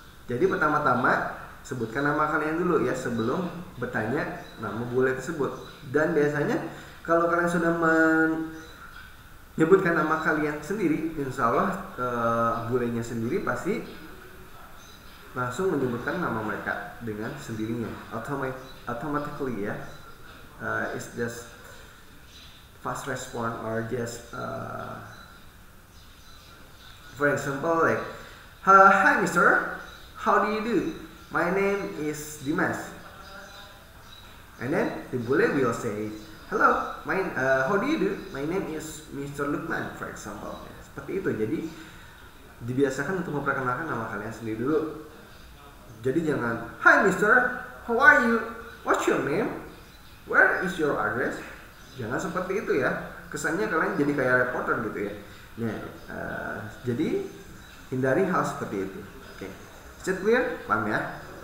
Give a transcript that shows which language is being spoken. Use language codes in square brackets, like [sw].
[id] Jadi pertama-tama sebutkan nama kalian dulu ya sebelum bertanya nama bule tersebut. Dan biasanya kalau kalian sudah menyebutkan nama kalian sendiri, insya Allah bulenya sendiri pasti langsung menyebutkan nama mereka dengan sendirinya, automatically ya. [en] It's just fast response or just for example like hi mister, how do you do? My name is Dimas. And then the bule will say, hello, how do you do? My name is Mr. Lukman, for example. [id] Ya, seperti itu. Jadi dibiasakan untuk memperkenalkan nama kalian sendiri dulu. [en] Jadi jangan, hi mister, how are you? What's your name? Where is your address? [id] Jangan seperti itu ya. Kesannya kalian jadi kayak reporter gitu ya. Nah, jadi hindari hal seperti itu. Oke. [en] Is it clear? [id] Paham ya?